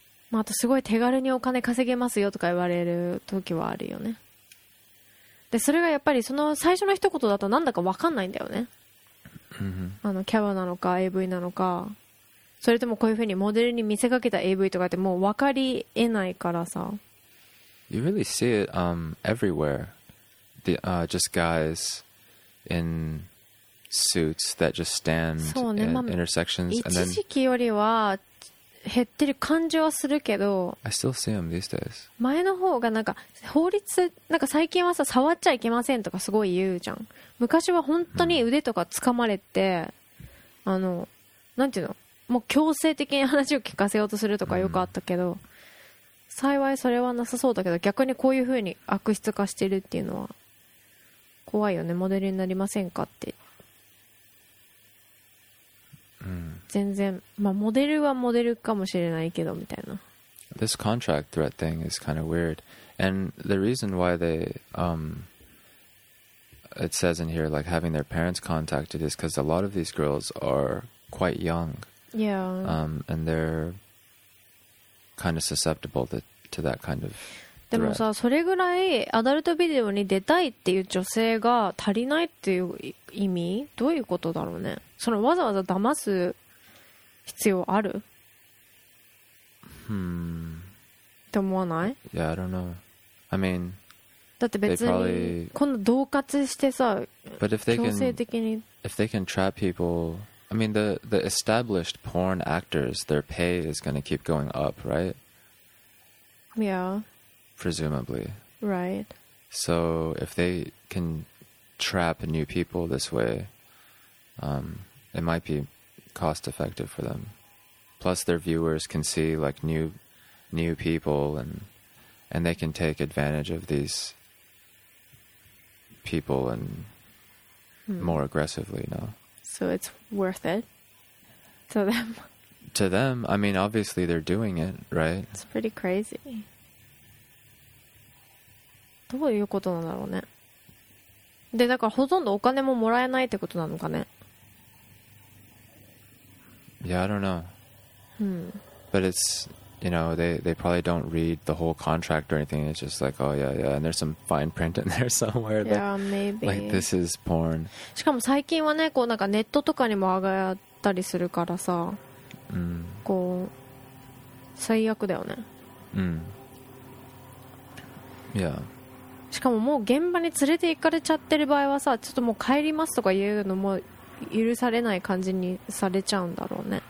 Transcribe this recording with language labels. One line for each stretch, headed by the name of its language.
Japanese: まあ、あとすごい手軽にお金稼げますよとか言われる時はあるよね。でそれがやっぱりその最初の一言だとなんだか分かんないんだよね、うん、あのキャバなのか AV なのか、それともこういう風にモデルに見せかけた AV とかってもう分かりえないからさ。
English: You really see it everywhere. The just guys in suits that just stand in intersections. And then
Japanese: 一時期よりは減ってる感じはするけど。
English: I still see them these days.
Japanese: 前の方がなんか法律なんか最近はさ触っちゃいけませんとかすごい言うじゃん。昔は本当に腕とか掴まれて、あのなんていうの、もう強制的に話を聞かせようとするとかよくあったけど。幸いそれはなさそうだけど、逆にこういう風に悪質化してるっていうのは怖いよね。モデルになりませんかって、うん、全然、まあ、モデルはモデルかもしれないけどみたいな。
English: This contract threat thing is kind of weird. And the reason why they it says in here like having their parents contacted is because a lot of these girls are quite young. Yeah. And they'reKind of susceptible to that kind of threat.
Japanese: でもさ、それぐらいアダルトビデオに出たいっていう女性が足りないっていう意味、どういうことだろうね。そのわざわざ騙す必要ある？って思わない
English: ？Yeah, I don't know. I mean,
Japanese: だって別に
English: probably...
Japanese: 今度恫喝してさ、強制的に。
English: If they can trap people. I mean, the established porn actors, their pay is going to keep going up, right? Yeah. Presumably. Right. So if they can trap new people this way, it might be cost effective for them. Plus their viewers can see like new people and they can take advantage of these people and more aggressively, you know? So it's worth it to them. To them, I mean, obviously they're doing it, right? It's pretty crazy.
Japanese: どういうことなんだろうね。で、だからほとんどお金ももらえないってことなのかね。
English: Yeah, I don't know. But it's, you know, they probably don't read the whole contract or anything. It's just like, oh yeah, yeah. And there's some fine print in there somewhere. That, yeah, maybe. Like, this is porn.
Japanese: しかも最近はね、こうなんかネットとかにも上がったりするからさ、こう、最悪だよね。うん。
English: Yeah.
Japanese: しかももう現場に連れて行かれちゃってる場合はさ、ちょっともう帰りますとか言うのも許されない感じにされちゃうんだろうね。